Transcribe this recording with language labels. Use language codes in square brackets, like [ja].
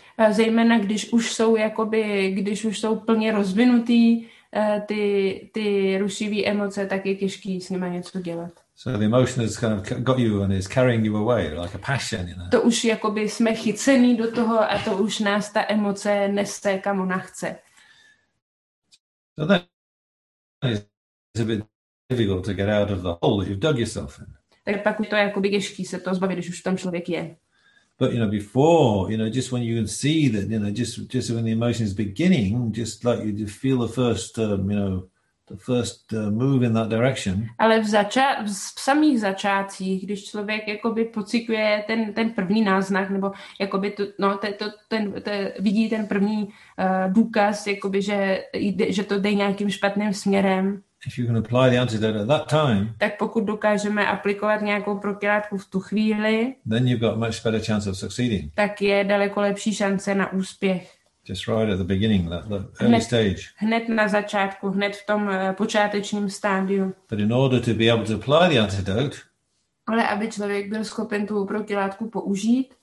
[cs] Zejména když už jsou jakoby, když už jsou plně rozvinutý ty rušivý emoce, tak je těžký s nima něco dělat. [en] So the emotion has kind of got you and is carrying you away like a passion, you know. [cs] To už jakoby jsme chycený do toho a to už nás ta emoce nese kam ona chce. [en] So then it's a bit difficult to get out of the hole that you've dug yourself in. [cs] Tak pak to jakoby těžký se to zbavit, když už tam člověk je. [en] But you know, before, you know, just when you can see that, you know, just when the emotion is beginning, just like you feel the first, you know, the first move in that direction. [cs] Ale v samých začátcích, když člověk jakoby pociťuje ten první náznak nebo jakoby to, no, vidí ten první důkaz, jakoby že jde, že to jde nějakým špatným směrem. [en] If you can apply the antidote at that time, [cs] tak pokud dokážeme aplikovat nějakou protilátku v tu chvíli, [en] then you've got much better chance of succeeding. [cs] Tak je daleko lepší šance na úspěch. [en] Just right at the beginning, early stage. [cs] Hned na začátku, hned v tom počátečním stádiu. [en] But in order to be able to apply the antidote, [cs] ale aby člověk byl schopen tu protilátku použít,